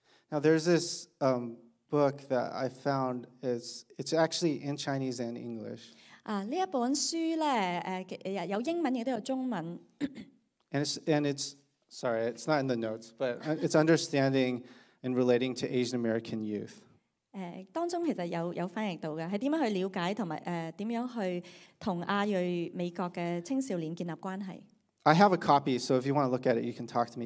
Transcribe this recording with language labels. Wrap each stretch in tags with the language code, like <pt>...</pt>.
<en>Now there's this book that I found it's actually in Chinese and English.</en> <yue>呢一本书咧，有英文亦都有中文。</yue> <en>And it's Sorry, it's not in the notes, but it's understanding and relating to Asian American youth.</en> <yue>當中其實有翻譯到嘅，係點樣去了解同埋點樣去同亞裔美國嘅青少年建立關係</yue> <en>？I have a copy, so if you want to look at it, you can talk to me.</en>